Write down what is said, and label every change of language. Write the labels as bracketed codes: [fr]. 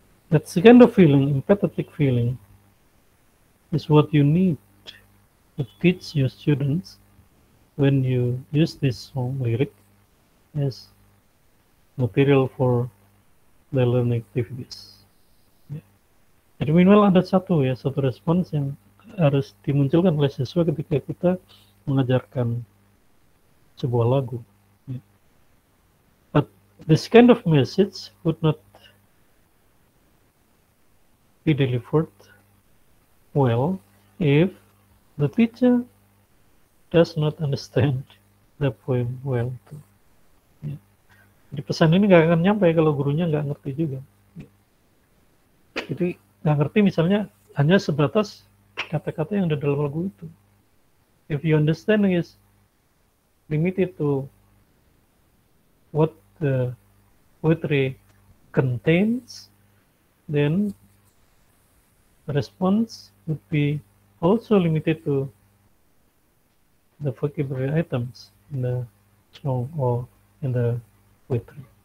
[en] That kind of feeling, empathetic feeling, is what you need to teach your students when you use this song lyric as material for their learning activities. [id] Jadi minimal ada satu ya, satu respons yang harus dimunculkan oleh siswa ketika kita mengajarkan sebuah lagu. [en] But this kind of message would not be delivered well if the teacher does not understand the poem well too. [id] Jadi pesan ini nggak akan nyampe kalau gurunya nggak ngerti juga. Jadi nggak ngerti misalnya hanya sebatas kata-kata yang ada dalam lagu itu. [en] If your understanding is limited to what the poetry contains, then the response would be also limited to the vocabulary items in the song or in the poetry.